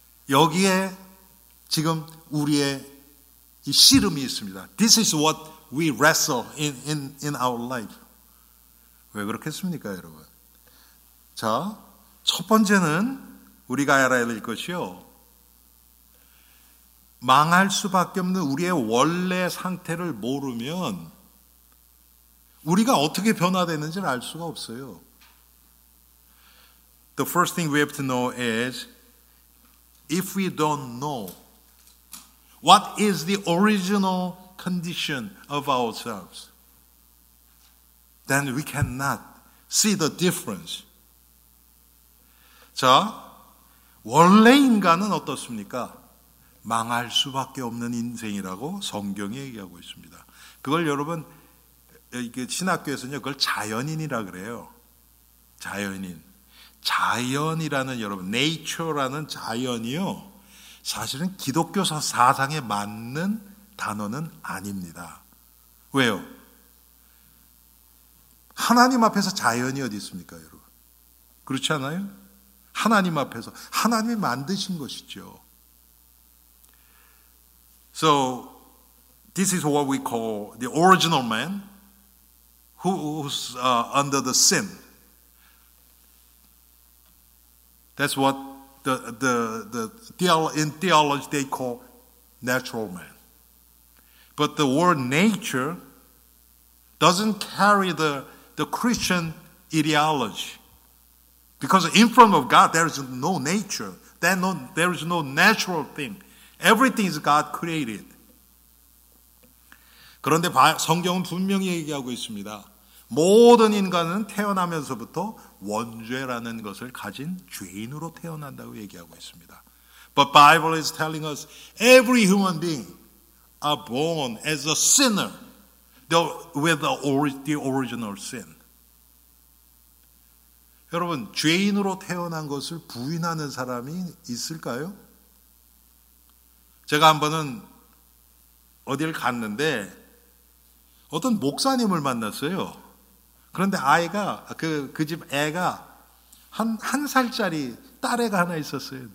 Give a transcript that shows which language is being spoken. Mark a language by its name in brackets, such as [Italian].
[Korean] 여기에 지금 우리의 이 씨름이 있습니다. [English] This is what we wrestle in our life. [Korean] 왜 그렇겠습니까, 여러분? 자, 첫 번째는 우리가 알아야 될 것이요, 망할 수밖에 없는 우리의 원래 상태를 모르면 우리가 어떻게 변화되는지를 알 수가 없어요. [English] The first thing we have to know is if we don't know what is the original condition of ourselves, then we cannot see the difference. [Korean] 자, 원래 인간은 어떻습니까? 망할 수밖에 없는 인생이라고 성경이 얘기하고 있습니다. 그걸 여러분, 신학교에서는 그걸 자연인이라 그래요. 자연인. 자연이라는 여러분, nature라는 자연이요, 사실은 기독교 사상에 맞는 단어는 아닙니다. 왜요? 하나님 앞에서 자연이 어디 있습니까, 여러분? 그렇지 않아요? 하나님 앞에서. 하나님이 만드신 것이죠. [English] So, this is what we call the original man who's under the sin. That's what in theology they call natural man. But the word nature doesn't carry the Christian ideology. Because in front of God there is no nature. There is no natural thing. Everything is God created. [Korean] 그런데 성경은 분명히 얘기하고 있습니다. 모든 인간은 태어나면서부터 원죄라는 것을 가진 죄인으로 태어난다고 얘기하고 있습니다. [English] But Bible is telling us every human being are born as a sinner with the original sin. [Korean] 여러분, 죄인으로 태어난 것을 부인하는 사람이 있을까요? 제가 한 번은 어딜 갔는데 어떤 목사님을 만났어요. 그런데 아이가 그 집 애가 한 살짜리 딸애가 하나 있었어요.